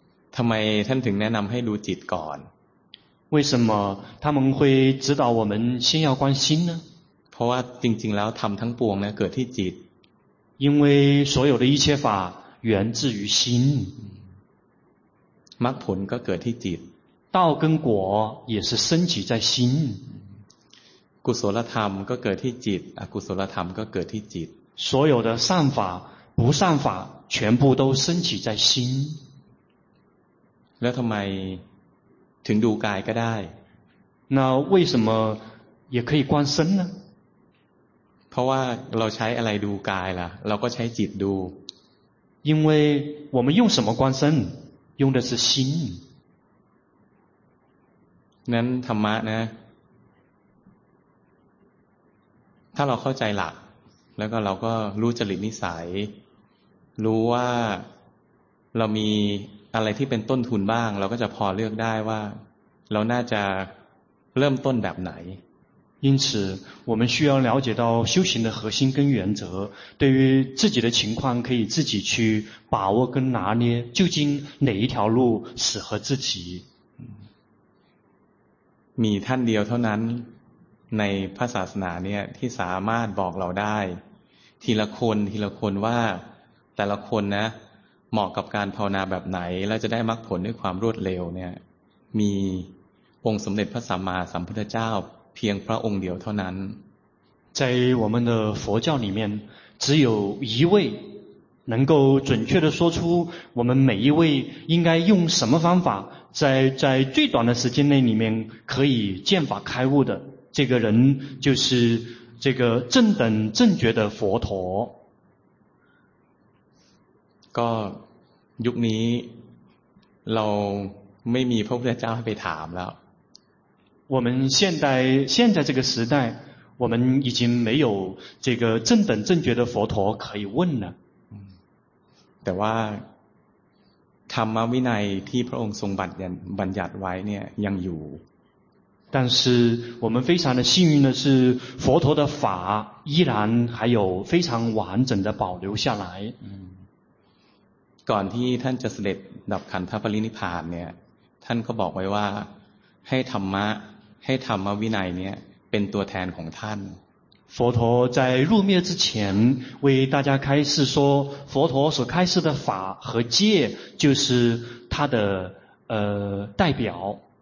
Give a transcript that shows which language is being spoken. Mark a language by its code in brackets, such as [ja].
[th] ทำไมท่านถึงแนะนำให้ดูจิตก่อน [zh] 为什么他们会指导我们先要观心呢 [th] เพราะว่าจริงๆแล้วทำทั้งปวงเนี่ยเกิดที่จิต [zh] 因为所有的一切法源自于心 [th] มรรคผลก็เกิดที่จิต [zh] 道跟果也是升起在心 [th] กุศลธรรมก็เกิดที่จิตอกุศลธรรมก็เกิดที่จิต [zh] 所有的善法不善法全部都升起在心 [th] แล้วทำไมถึงดูกายก็ได้ [zh] 那为什么也可以观身呢 [th] เพราะว่าเราใช้อะไรดูกายล่ะเราก็ใช้จิตดู [zh] 因为我们用什么观身用的是心 [th] นั้นธรรมะนะถ้าเราเข้าใจหลักแล้วก็เราก็รู้จริตนิสัยรู้ว่าเรามีอะไรที่เป็นต้นทุนบ้างเราก็จะพอเลือกได้ว่าเราน่าจะเริ่มต้นแบบไหน [zh] 因此我们需要了解到修行的核心跟原则对于自己的情况可以自己去把握跟拿捏究竟哪一条路适合自己 [th] มีท่านเดียวเท่านั้นในพระศาสนาเนี่ยที่สามารถบอกเราได้ทีละคนทีละคนว่าแต่ละคนนะเหมาะกับการภาวนาแบบไหนแล้วจะได้มรรคผลด้วยความรวดเร็วเนี่ยมีองค์สมเด็จพระสัมมาสัมพุทธเจ้าเพียงพระองค์เดียวเท่านั้น [zh] 在我们的佛教里面只有一位能够准确地说出我们每一位应该用什么方法在最短的时间内里面可以见法开悟的这个人就是这个正等正觉的佛陀 [th] ก็ยุคนี้เราไม่มีพระพุทธเจ้าให้ไปถามแล้ว [zh] 我们现在这个时代我们已经没有这个正等正觉的佛陀可以问了 [th] แต่ว่าธรรมวินัยที่พระองค์ทรงบัญญัติไว้เนี่ยยังอยู่ [zh] 但是我们非常的幸运的是佛陀的法依然还有非常完整的保留下来 [th] ก่อนที่ท่านจะเสด็จดับขันธปรินิพพานเนี่ยท่านก็บอกไว้ว่าให้ธรรมวินัยเนี่ยเป็นตัวแทนของท่าน [zh] 佛陀在入灭之前为大家开示说佛陀所开示的法和戒就是他的代表